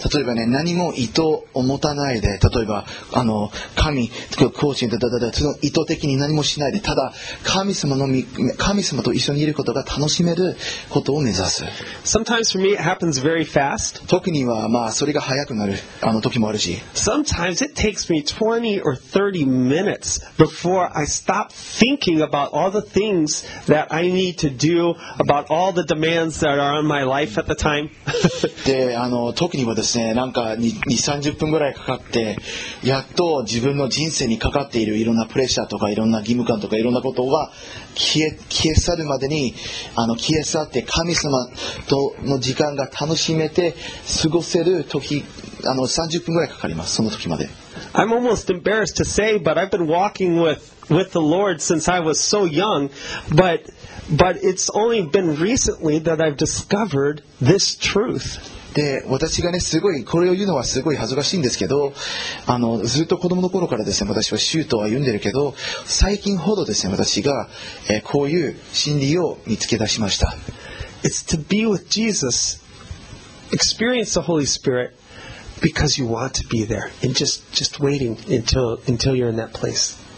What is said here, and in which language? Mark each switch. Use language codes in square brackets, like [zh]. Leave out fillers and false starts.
[ja] 例えばね、何も意図を持たないで、例えば神、コーチに、その意図的に何もしないで、ただ神様と一緒にいることが楽しめることを目指す。 [en] Sometimes for me it happens very fast. [ja] 特にはまあそれが早くなる時もあるし。 [en] Sometimes it takes me 20 or 30 minutes. Before I stop thinking about all the things that I need to do, about all the demands that are on my life at the time. [ja] で、特にはですね、なんか2、30分ぐらいかかって、やっと自分の人生にかかっているいろんなプレッシャーとかいろんな義務感とかいろんなことが消え去るまでに、消え去って神様との時間が楽しめて過ごせる時、30分ぐらいかかります、その時まで。 [en] I'm almost embarrassed to say, but I've been walking with the Lord since I was so young, but it's only been recently that I've discovered this truth. [ja] で、私がね、すごい、これを言うのはすごい恥ずかしいんですけど、ずっと子供の頃からですね、私は宗教を歩んでるけど、最近ほどですね、私が、こういう真理を見つけ出しました。 [en] It's to be with Jesus, experience the Holy Spirit. Because you want to be there and just waiting until you're in that place.